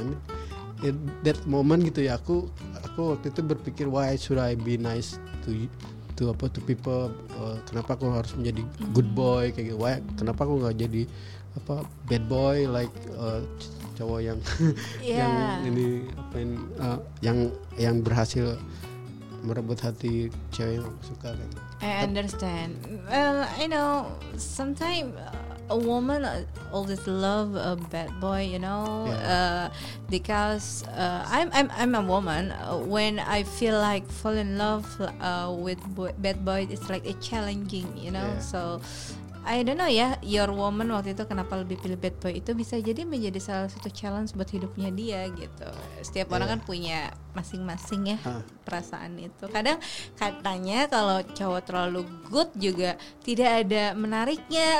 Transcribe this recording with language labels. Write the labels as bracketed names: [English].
[English] I mean, in that moment [Indonesian] gitu ya aku waktu itu berpikir [English] why should I be nice to people [Indonesian] kenapa aku harus menjadi good boy kayak gitu why kenapa aku nggak jadi apa [English] bad boy like [Indonesian] cowok yang yeah. yang ini apa yang berhasil merebut hati cewek yang aku suka kayak gitu. [English] I understand. I know sometimes a woman always love a bad boy, you know. Yeah. Because I'm a woman. When I feel like fall in love with bad boy, it's like a challenging, you know. [Indonesian] Yeah. [English] So I don't know [Indonesian] ya, your woman waktu itu kenapa lebih pilih bad boy itu bisa jadi menjadi salah satu challenge buat hidupnya dia gitu. Setiap yeah. orang kan punya masing-masing ya perasaan itu. Kadang katanya kalau cowok terlalu good juga tidak ada menariknya.